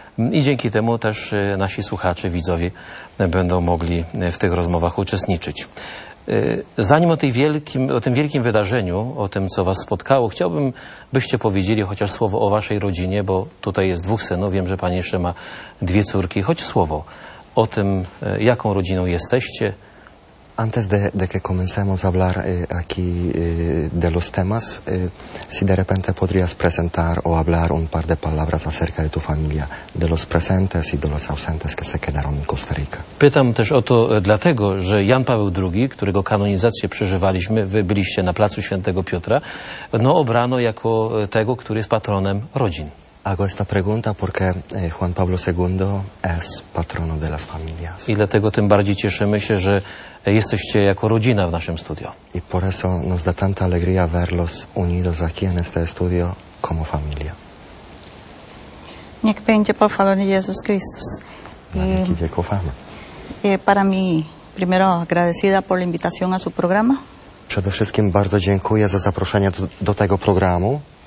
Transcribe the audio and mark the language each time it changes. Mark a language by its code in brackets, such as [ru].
[pl] I dzięki temu też nasi słuchacze, widzowie będą mogli w tych rozmowach uczestniczyć. Zanim o tym wielkim wydarzeniu, o tym, co Was spotkało, chciałbym, byście powiedzieli chociaż słowo o Waszej rodzinie, bo tutaj jest dwóch synów, wiem, że Pani jeszcze ma dwie córki. Choć słowo o tym, jaką rodziną jesteście. [es] Antes de que comencemos a hablar aquí de los temas, si de repente podrías presentar o hablar un par de palabras acerca de tu familia, de los presentes y de los ausentes que se quedaron en Costa Rica. [pl] Pytam też o to dlatego, że Jan Paweł II, którego kanonizację przeżywaliśmy, wy byliście na placu Świętego Piotra, no obrano jako tego, który jest patronem rodzin. [es] Hago esta pregunta porque Juan Pablo II es patrono de las familias. [pl] I dlatego tym bardziej cieszymy się, że jesteście jako rodzina w naszym studio. [es] Y por eso nos da tanta alegría verlos unidos aquí en este estudio como familia. [pl] Niech będzie pochwalony Jezus Chrystus. Na wieki wieków. Amen. [es] Para mí, primero agradecida por la invitación a su programa. [pl] Przede wszystkim bardzo dziękuję za zaproszenie do tego programu.